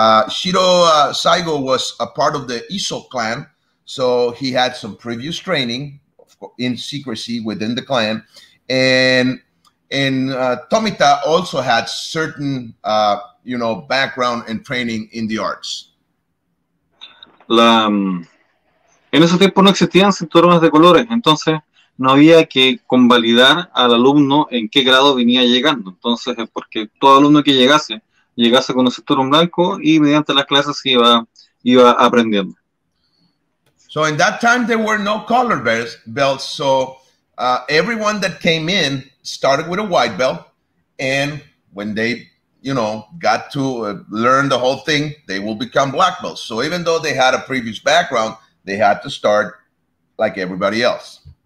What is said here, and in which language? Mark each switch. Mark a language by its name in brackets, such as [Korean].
[English] Shiro Saigo was a part of the Iso clan, so he had some previous training in secrecy within the clan. And Tomita also had certain, background and training in the arts. [Spanish] En esos tiempos no existían cinturones de colores, entonces no había que convalidar al alumno en qué grado venía llegando. Entonces es porque todo alumno que llegase con un cinturón blanco y mediante las clases iba aprendiendo. [English] So in that time there were no color belts, so everyone that came in started with a white belt, and when they, got to learn the whole thing, they will become black belts. So even though they had a previous background, they had to start like everybody else.